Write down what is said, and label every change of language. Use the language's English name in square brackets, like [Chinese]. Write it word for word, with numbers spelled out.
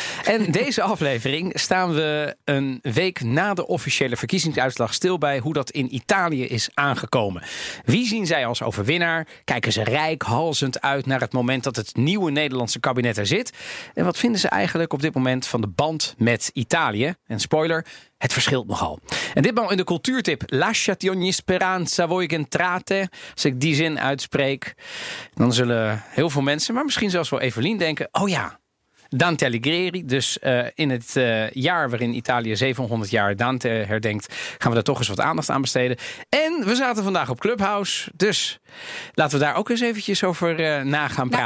[Dutch] En deze aflevering staan we een week na de officiële verkiezingsuitslag stil bij hoe dat in Italië is aangekomen. Wie zien zij als overwinnaar? Kijken ze reikhalzend uit naar het moment dat het nieuwe Nederlandse kabinet er zit? En wat vinden ze eigenlijk op dit moment van de band met Italië? En spoiler, het verschilt nogal. En ditmaal in de cultuurtip. [Italian] Lasciate ogni speranza voi che entrate. [Dutch] Als ik die zin uitspreek, dan zullen heel veel mensen, maar misschien zelfs wel Evelien, denken: oh ja, Dante Alighieri. Dus uh, in het uh, jaar waarin Italië zevenhonderd jaar Dante herdenkt, gaan we daar toch eens wat aandacht aan besteden. En we zaten vandaag op Clubhouse, dus laten we daar ook eens eventjes over uh, na gaan praten.